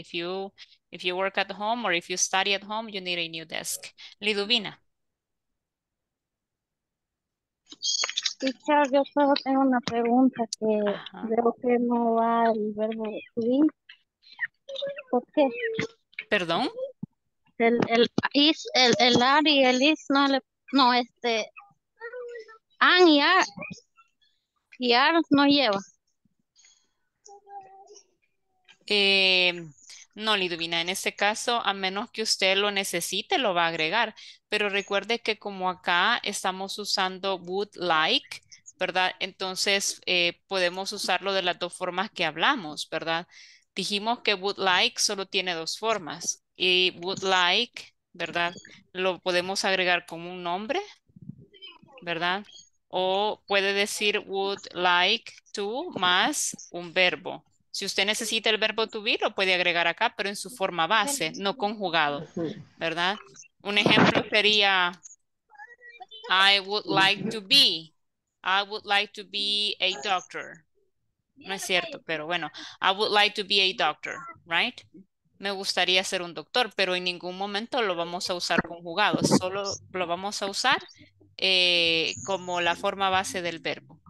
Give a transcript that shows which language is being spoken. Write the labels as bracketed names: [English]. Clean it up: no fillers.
[English] If you work at home or if you study at home, you need a new desk. [Spanish] Liduvina. [English] Teacher, [Spanish] yo solo tengo una pregunta que veo que no va el verbo to be. ¿Por qué? ¿Perdón? El is, el are y el is, no, le, no este, an y are no lleva. No, Liduvina, en este caso, a menos que usted lo necesite, lo va a agregar. Pero recuerde que como acá estamos usando would like, ¿verdad? Entonces, podemos usarlo de las dos formas que hablamos, ¿verdad? Dijimos que would like solo tiene dos formas. Y would like, ¿verdad? Lo podemos agregar como un nombre, ¿verdad? O puede decir would like to más un verbo. Si usted necesita el verbo to be, lo puede agregar acá, pero en su forma base, no conjugado, ¿verdad? Un ejemplo sería, [English] I would like to be, I would like to be a doctor. [Spanish] No es cierto, pero bueno, [English] I would like to be a doctor, right? [Spanish] Me gustaría ser un doctor, pero en ningún momento lo vamos a usar conjugado, solo lo vamos a usar como la forma base del verbo.